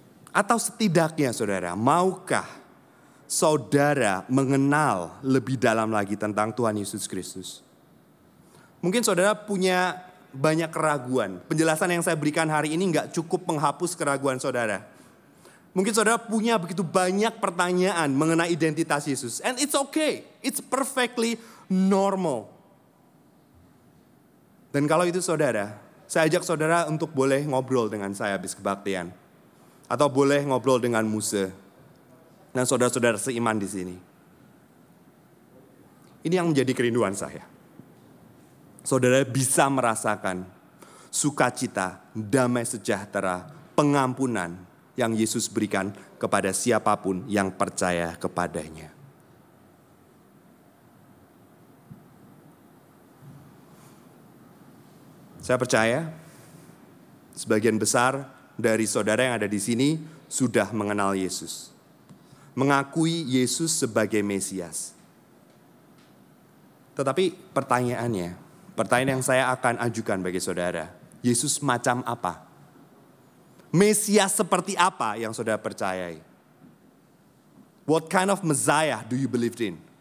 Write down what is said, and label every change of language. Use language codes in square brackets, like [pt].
[id] Atau setidaknya saudara, maukah saudara mengenal lebih dalam lagi tentang Tuhan Yesus Kristus? Mungkin saudara punya banyak keraguan. Penjelasan yang saya berikan hari ini gak cukup menghapus keraguan saudara. Mungkin saudara punya begitu banyak pertanyaan mengenai identitas Yesus. [en] And it's okay, it's perfectly normal. [id] Dan kalau itu saudara, saya ajak saudara untuk boleh ngobrol dengan saya habis kebaktian. Atau boleh ngobrol dengan Musa. Dan saudara-saudara seiman di sini. Ini yang menjadi kerinduan saya. Saudara bisa merasakan sukacita, damai sejahtera, pengampunan yang Yesus berikan kepada siapapun yang percaya kepadanya. Saya percaya sebagian besar dari saudara yang ada di sini sudah mengenal Yesus. Mengakui Yesus sebagai Mesias. Tetapi pertanyaannya, pertanyaan yang saya akan ajukan bagi saudara, Yesus macam apa? Mesias seperti apa yang saudara percayai? [en] What kind of Messiah do you believe in?